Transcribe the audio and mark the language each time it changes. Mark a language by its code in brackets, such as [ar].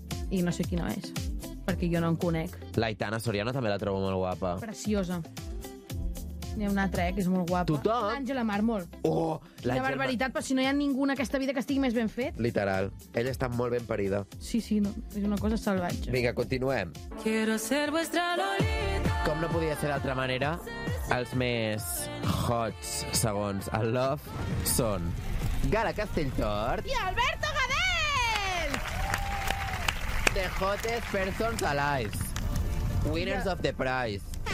[ca] I no sé quina és, perquè jo no en conec. L'Aitana Soriano també la trobo molt guapa. Preciosa. N'hi ha una altra, que és molt guapa. Tothom? L'Àngela Mármol. Oh, l'Àngela... De barbaritat, però si no hi ha ningú en aquesta vida que estigui més ben fet. Literal. Ella està molt ben parida. Sí, sí, no. És una cosa salvatge. Vinga, continuem. [es] Quiero ser vuestra Lolita. [ca] Com no podia ser d'altra manera, els més hots, segons el Love, són Gala Castelltort... I Alberto Gadel! [en] The Hottest Persons Alive. Winners of the Prize.